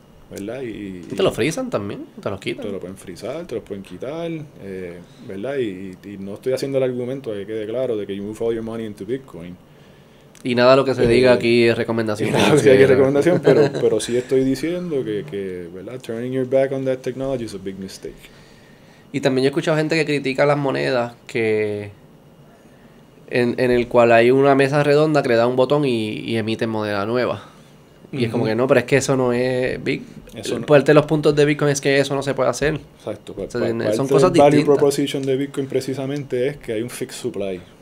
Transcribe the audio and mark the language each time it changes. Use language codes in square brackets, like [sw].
[es] ¿Verdad? Y te lo frizan también, te lo quitan. Te lo pueden frizar, te lo pueden quitar. ¿Verdad? Y no estoy haciendo el argumento de que quede claro de que [en] you move all your money into Bitcoin. [es] Y nada lo que se diga aquí es recomendación. Nada que hay recomendación, pero sí estoy diciendo que ¿verdad? [en] Turning your back on that technology is a big mistake. [es] Y también yo he escuchado gente que critica las monedas que en el cual hay una mesa redonda que le da un botón y emite moneda nueva. Y uh-huh. Es como que no, pero es que eso no es big. Parte de los puntos de Bitcoin es que eso no se puede hacer. Exacto. O sea, son cosas distintas. Value proposition de Bitcoin precisamente es que hay un fixed supply.